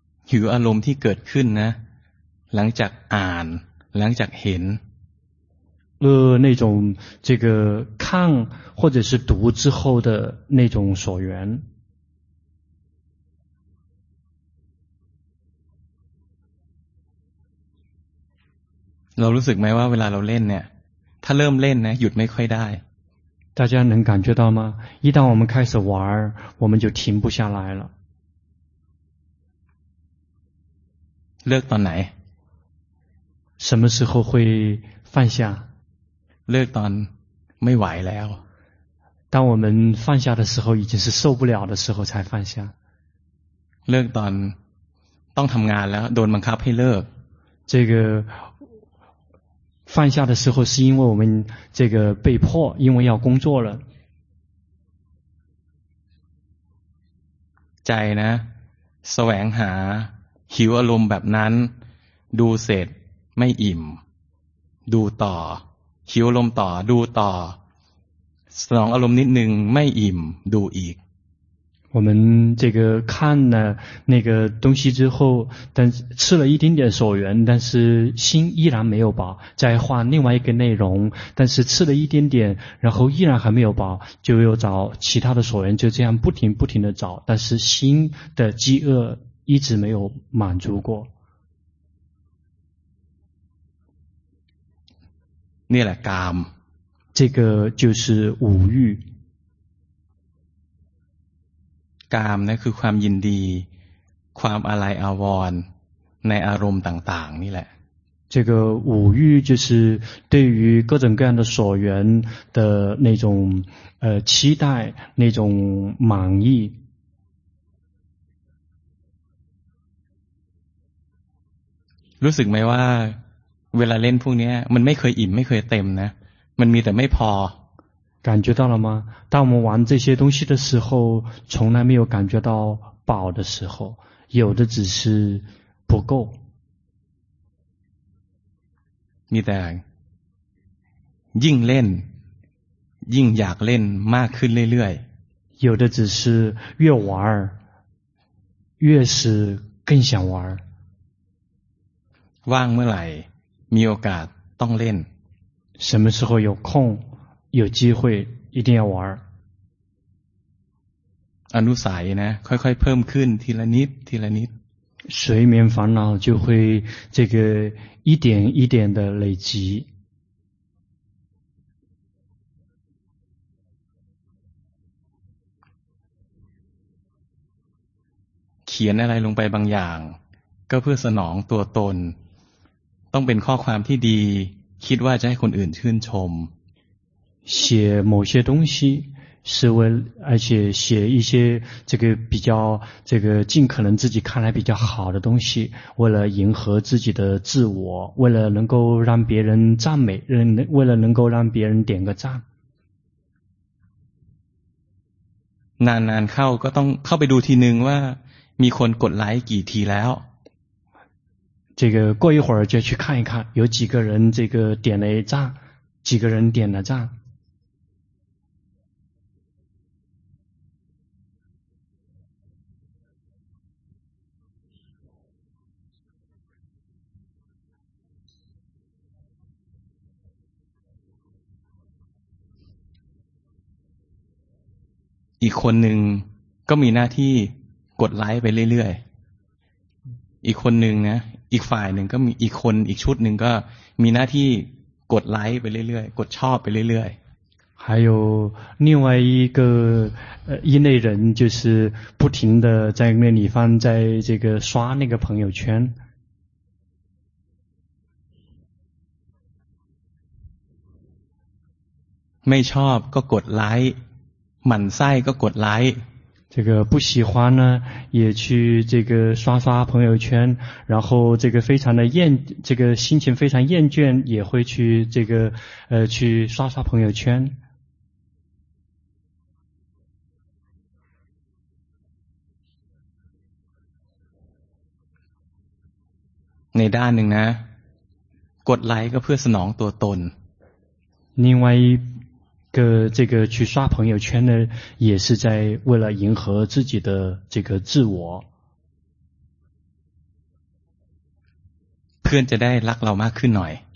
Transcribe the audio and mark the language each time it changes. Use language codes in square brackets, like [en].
[th] หิวอารมณ์ที่เกิดขึ้นนะหลังจากอ่านหลังจากเห็น [zh] 饿那种这个看或者是读之后的那种所缘 [th] เรารู้สึกไหมว่าเวลาเราเล่นเนี่ยถ้าเริ่มเล่นนะหยุดไม่ค่อยได้ [zh] 大家能感觉到吗一旦我们开始玩我们就停不下来了 [th] เลิกตอนไหน [zh] 什么时候会放下 [th] เลิกตอนไม่ไหวแล้ว [zh] 当我们放下的时候已经是受不了的时候才放下 [th] เลิกตอนต้องทำงานแล้วโดนบังคับให้เลิก [zh] 这个放下的时候是因为我们这个被迫因为要工作了 [th] ใจนะแสวงหาหิวอารมณ์แบบนั้นดูเสร็จไม่อิ่มดูต่อหิวอารมณ์ต่อดูต่อสนองอารมณ์นิดนึงไม่อิ่มดูอีก [zh] 我们这个看了那个东西之后，但吃了一点点所缘，但是心依然没有饱，再换另外一个内容，但是吃了一点点，然后依然还没有饱，就又找其他的所缘，就这样不停不停的找，但是心的饥饿一直没有满足过。 [th] นี่แหละกาม [zh] 这个就是五欲。 [th] กามนะคือความยินดีความอะไรอาวรณ์ในอารมณ์ต่างๆนี่แหละ [zh] 这个五欲就是对于各种各样的所缘的那种期待那种满意 [th] รู้สึกไหมว่าเวลาเล่นพวกนี้มันไม่เคยอิ่มไม่เคยเต็มนะมันมีแต่ไม่พอ [zh] 感觉到了吗？当我们玩这些东西的时候，从来没有感觉到饱的时候，有的只是不够。你得，硬练，硬 [th] อยากเล่นมากขึ้นเรื่อย。 [zh] 有的只是越玩，越是更想玩。 [th] ว่างเมื่อไหร่มีโอกาสต้องเล่น。 [zh] 什么时候有空？有机会一定要玩 [th] อนุสัยนะค่อยๆเพิ่มขึ้นทีละนิดทีละนิด [zh] 睡眠烦恼就会这个一点一点的累积 [th] เขียนอะไรลงไปบางอย่างก็เพื่อสนองตัวตนต้องเป็นข้อความที่ดีคิดว่าจะให้คนอื่นชื่นชม [zh] 写某些东西是为而且写一些这个比较这个尽可能自己看来比较好的东西为了迎合自己的自我为了能够让别人赞美为了能够让别人点个赞 [th] นานๆเข้าก็ต้องเข้าไปดูทีนึงว่ามีคนกดไลค์กี่ทีแล้ว [zh] 这个过一会儿就去看一看有几个人这个点了赞几个人点了赞 [th] อีกคนหนึ่งก็มีหน้าที่กดไลค์ไปเรื่อยๆอีกคนหนึ่งนะอีกฝ่ายหนึ่งก็มีอีกคนอีกชุดหนึ่งก็มีหน้าที่กดไลค์ไปเรื่อยๆกดชอบไปเรื่อย [zh] ๆ还有另外一个一类人就是不停的在那里放在这个刷那个朋友圈 [th] ไม่ชอบก็กดไลค์หมั่นไส้ก็กดไลค์ [zh] 这个不喜欢呢也去这个刷刷朋友圈然后这个非常的厌这个心情非常厌倦也会去这个去刷刷朋友圈 [th] ในด้านหนึ่งนะกดไลค์ก็เพื่อสนองตัวตน [zh] 另外一个这个去刷朋友圈呢也是在为了迎合自己的这个自我 [th] เพื่อนจะได้รักเรามากขึ้นหน่อย